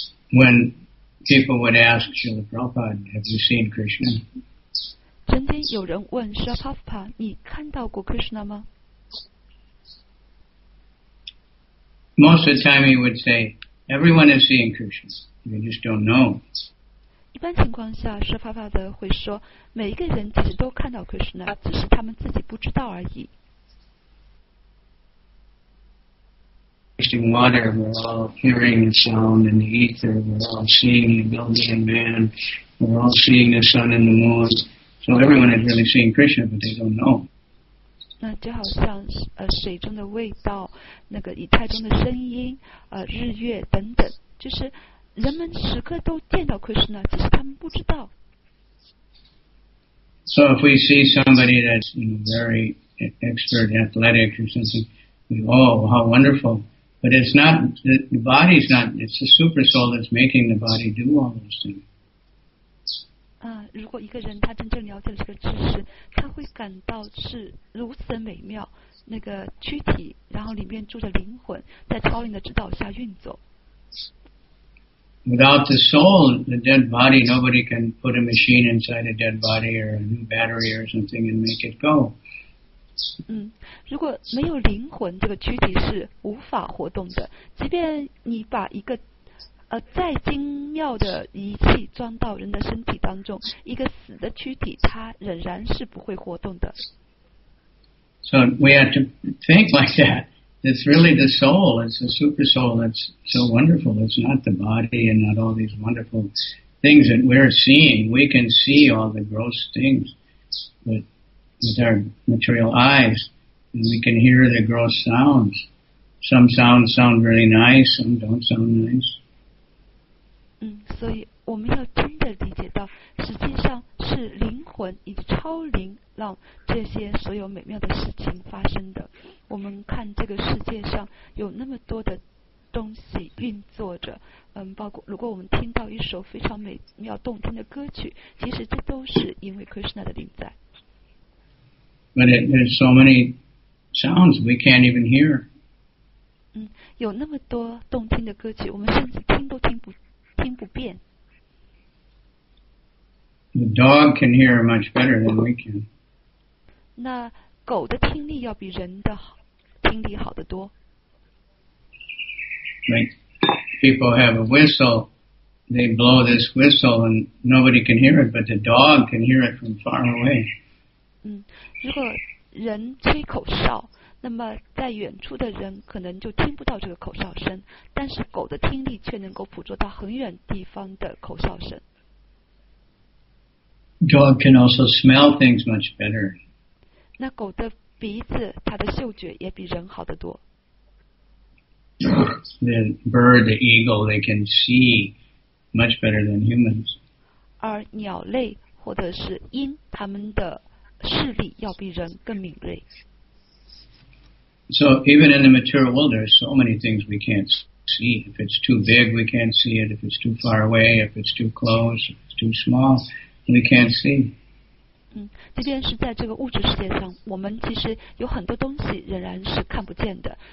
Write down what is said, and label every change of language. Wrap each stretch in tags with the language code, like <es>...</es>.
<en>When people would ask Srila Prabhupada, "Have you seen Krishna?"</en> <zh>曾经有人问 Srila Prabhupada, "你看到过 Krishna 吗？"</zh> <en>most of the time he would say, everyone is seeing Krishna. You just don't know.</en> <zh>一般情况下，舍帕帕德会说，每一个人其实都看到 Krishna， 只是他们自己不知道而已。</zh> <en>Tasting water, we're all hearing the sound in the ether, we're all seeing the ability of man, we're all seeing the sun and the moon. So everyone is really seeing Krishna, but they don't know.</en> <zh>那就好像水中的味道，那个以太中的声音，日月等等，就是人们时刻都见到 Krishna， 只是他们不知道。</zh> <en>So if we see somebody that's very expert athletic or something, we go, oh, how wonderful. But it's not, the body's not, it's the super soul that's making the body do all those things.</en> <zh>如果一个人他真正了解了这个知识，他会感到是如此的美妙，那个躯体，然后里面住着灵魂，在超灵的指导下运作。</zh> <en>Without the soul, the dead body, nobody can put a machine inside a dead body or a new battery or something and make it go.</en> <zh>如果没有灵魂，这个躯体是无法活动的。即便你把一个再精妙的仪器装到人的身体当中，一个死的躯体，它仍然是不会活动的。</zh> <en>So we have to think like that. It's really the soul. It's the super soul that's so wonderful. It's not the body and not all these wonderful things that we're seeing. We can see all the gross things, but. With our material eyes, and we can hear the gross sounds. Some sounds sound really nice, some don't sound nice.</en> <zh>所以我们要真的理解到，实际上是灵魂以及超灵让这些所有美妙的事情发生的。我们看这个世界上有那么多的东西运作着，包括如果我们听到一首非常美妙动听的歌曲，其实这都是因为 Krishna 的灵在。</zh> <en>But there's so many sounds we can't even hear.</en> <zh>有那么多动听的歌曲，我们甚至听都听不遍。</zh> <en>The dog can hear much better than we can.</en> <zh>那狗的听力要比人的听力好得多。</zh> <en>Like people have a whistle, they blow this whistle and nobody can hear it, but the dog can hear it from far away.</en> <zh>如果人吹口哨，那么在远处的人可能就听不到这个口哨声，但是狗的听力却能够捕捉到很远地方的口哨声。</zh> <en>Dog can also smell things much better.</en> <zh>那狗的鼻子，它的嗅觉也比人好得多。</zh> <en>The bird, the eagle, they can see much better than humans.</en> <zh>而鸟类或者是鹰，它们的视力要比人更敏锐。</zh> <en>So even in the material world, there are so many things we can't see. If it's too big, we can't see it. If it's too far away, if it's too close, if it's too small, we can't see.</en> <zh>即便是在这个物质世界上，我们其实有很多东西仍然是看不见的。</zh>